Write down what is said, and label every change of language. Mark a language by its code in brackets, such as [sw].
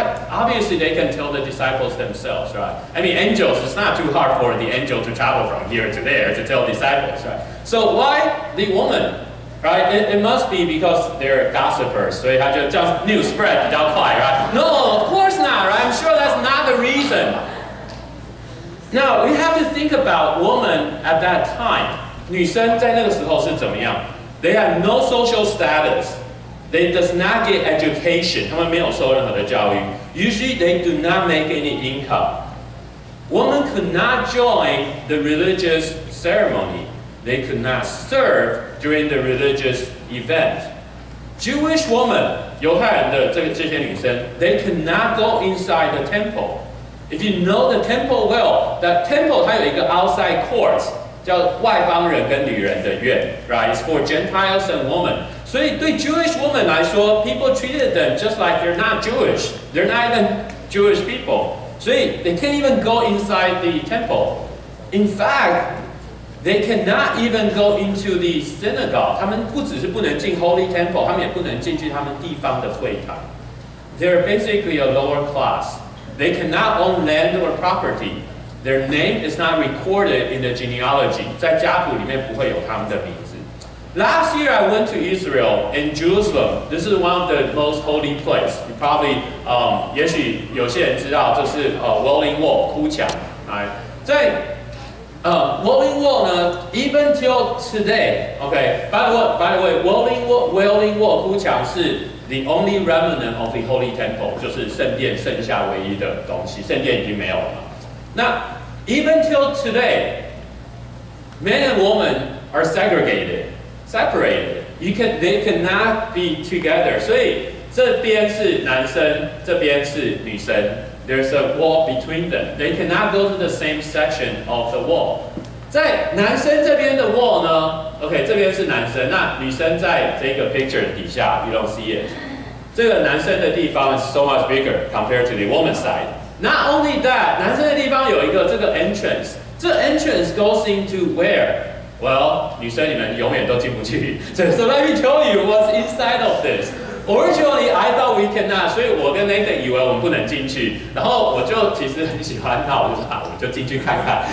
[en] Obviously, they can tell the disciples themselves, right? I mean, angels, it's not too hard for the angel to travel from here to there to tell disciples, right? So why the woman? Right, it must be because they're gossipers, so it just news spread [zh] 比较快 [en] right? No, of course not, right? I'm sure that's not the reason. Now, we have to think about women at that time. [zh] 女生在那个时候是怎么样? [en] They have no social status. They does not get education. [zh] 他们没有受任何的教育. [en] Usually, they do not make any income. Women could not join the religious ceremony. They could not serve during the religious event. Jewish woman, [zh] 犹太人的这些女生, [en] they could not go inside the temple. If you know the temple well, that temple [zh] 它有一个 [en] outside court, [zh] 叫外邦人跟女人的院, [en] right? It's for Gentiles and women. [zh] 所以对 [en] Jewish woman [zh] 来说, [en] people treated them just like they're not Jewish. They're not even Jewish people. [zh] 所以 [en] they can't even go inside the temple. In fact,They cannot even go into the synagogue. [zh] 他们不只是不能进 Holy Temple, 他们也不能进去他们地方的会堂。 [en] They're basically a lower class. They cannot own land or property. Their name is not recorded in the genealogy. [zh] 在家谱里面不会有他们的名字。 [en] Last year, I went to Israel in Jerusalem. This is one of the most holy places. You probably, [zh] 也许有些人知道这是 Wailing Wall, 哭墙。 [en] Right? 在Wailing Wall 呢 ？Even till today, okay. By the way, [zh] Wailing Wall 哭墙是 [en] the only remnant of the Holy Temple, [zh] 就是圣殿剩下唯一的东西，圣殿已经没有了。 [en] 那 even till today, men and women are separated. They cannot be together. [zh] 所以这边是男生，这边是女生。 [en] There's a wall between them. They cannot go to the same section of the wall. [zh] 在男生这边的 wall 呢 ？Okay, 这边是男生，那女生在这个 picture 底下 ， [en] you don't see it. [zh] 这个男生的地方 [en] is so much bigger compared to the woman's side. Not only that, [zh] 男生的地方有一个这个 [en] entrance. 这 entrance goes into where? [zh] Well, 女生你们永远都进不去。 [en] So let me tell you what's inside of this. Originally, I thought we cannot, [zh] 所以我跟 Nathan 以为我们不能进去。然后我就其实很喜欢，那我就说，我就进去看看。